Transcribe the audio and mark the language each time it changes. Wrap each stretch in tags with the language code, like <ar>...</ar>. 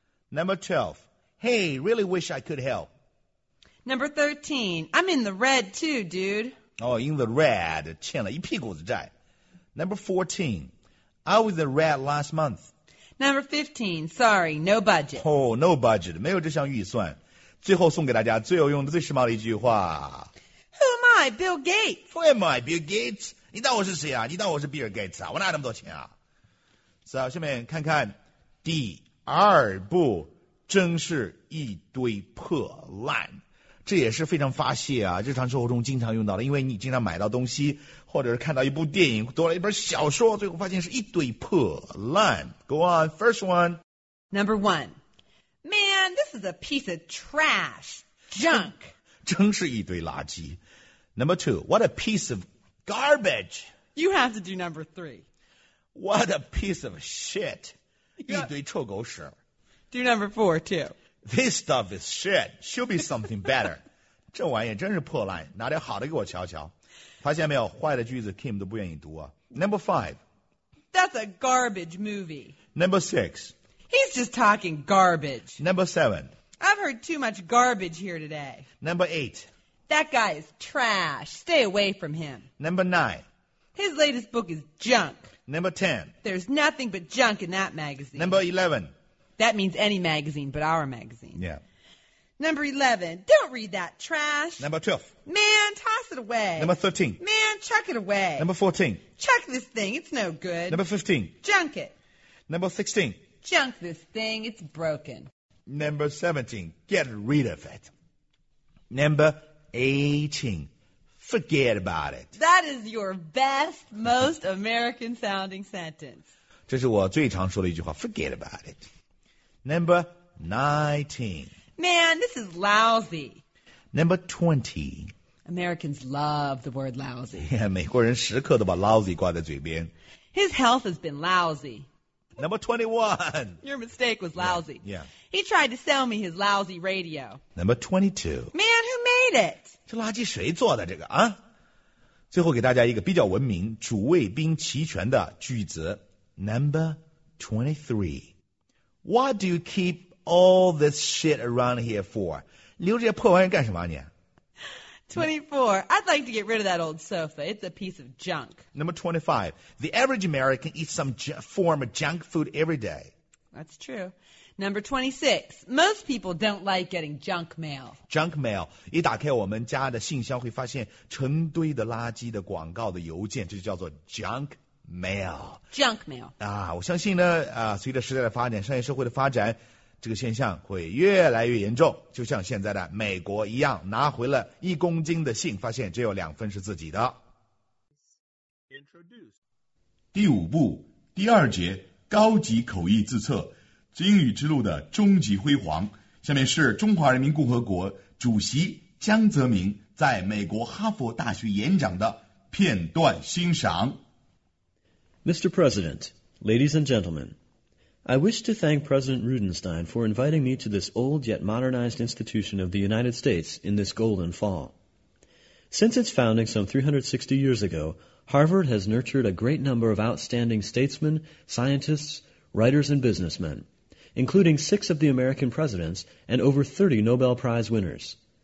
<en>Number 12, hey, really wish I could help. Number 13, I'm in the red too, dude. Oh, in the red,</en> <zh>欠了一屁股子债.</zh> <en>Number 14, I was in the red last month. Number 15, sorry, no budget. Oh, no budget,</en> <zh>没有这项预算。最后送给大家最有用的、最时髦的一句话。</zh> <en>Who am I, Bill Gates? Who am I, Bill Gates?</en> <zh>你当我是谁啊？你当我是比尔盖茨啊？我哪有那么多钱啊？是啊，下面看看第二部，真是一堆破烂，这也是非常发泄啊！日常生活中经常用到的，因为你经常买到东西，或者是看到一部电影，读了一本小说，最后发现是一堆破烂。</zh> <en>Go on, first one. Number one, man, this is a piece of trash, junk.</en> <zh>真是一堆垃圾。</zh> <en>Number two, what a piece of garbage. You have to do number three. What a piece of shit.</en> <zh>一堆臭狗屎。</zh> <en>Do number four too. This stuff is shit. Should be something better.</en> <zh>这玩意真是破烂，拿点好的给我瞧瞧。发现没有，坏的句子 Kim 都不愿意读啊。</zh> <en>Number five. That's a garbage movie. Number six. He's just talking garbage. Number seven. I've heard too much garbage here today. Number eight. That guy is trash. Stay away from him. Number nine. His latest book is junk. Number ten. There's nothing but junk in that magazine. Number 11. That means any magazine but our magazine. Yeah. Number 11. Don't read that trash. Number 12. Man, toss it away. Number 13. Man, chuck it away. Number 14. Chuck this thing. It's no good. Number 15. Junk it. Number 16. Junk this thing. It's broken. Number 17. Get rid of it. Number 18. 18. Forget about it. That is your best, most American sounding sentence.</en> <zh>这是我最常说的一句话</zh> <en>Forget about it. Number 19. Man, this is lousy. Number 20. Americans love the word lousy.</en> <zh>Yeah, 美国人时刻都把 lousy 挂在嘴边</zh> <en>His health has been lousy. Number 21. Your mistake was lousy. Yeah, yeah. He tried to sell me his lousy radio. Number 22. Man, who made it?</en> <zh>这垃圾谁做的这个啊？最后给大家一个比较文明、主谓宾齐全的句子。</zh> <en>Number 23. What do you keep all this shit around here for?</en> <zh>留这些破玩意干什么啊你？</zh> <en>24. I'd like to get rid of that old sofa. It's a piece of junk. Number 25. The average American eats some form of junk food every day. That's true. Number 26, most people don't like getting junk mail.</en> <zh>Junk mail, 一打开我们家的信箱会发现成堆的垃圾的广告的邮件，这就叫做 junk mail.</zh> <en>Junk mail.</en> <zh>啊，我相信呢，啊，随着时代的发展，商业社会的发展，这个现象会越来越严重，就像现在的美国一样，拿回了一公斤的信，发现只有两分是自己的。</zh> <en>Introduce.</en> <zh>第五步，第二节，高级口译自测。英语之路的终极辉煌，下面是中华人民共和国主席江泽民在美国哈佛大学演讲的片段欣赏。</zh> <en>Mr. President, ladies and gentlemen, I wish to thank President Rudenstine for inviting me to this old yet modernized institution of the United States in this golden fall. Since its founding some 360 years ago, Harvard has nurtured a great number of outstanding statesmen, scientists, writers, and businessmen, including 6 of the American presidents and over 30 Nobel Prize winners.</en>